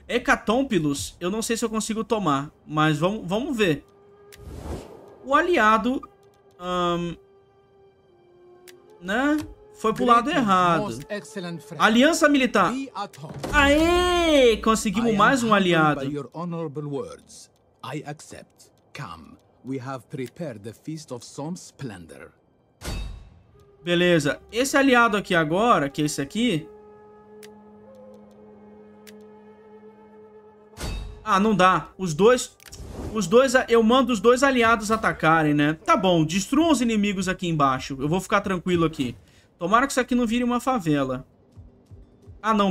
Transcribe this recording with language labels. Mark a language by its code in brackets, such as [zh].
[pt] Hecatompilos, eu não sei se eu consigo tomar, mas vamos ver. O aliado... né? Foi pro lado errado. Aliança militar. Aê! Conseguimos mais um aliado. Eu estou honrado pelas suas palavras. Eu aceito. [en] We have prepared the feast of some splendor. [pt] Beleza. Esse aliado aqui agora, que é esse aqui. Ah, não dá. Os dois. Eu mando os dois aliados atacarem, né? Tá bom. Destruam os inimigos aqui embaixo. Eu vou ficar tranquilo aqui. Tomara que isso aqui não vire uma favela. Ah, não.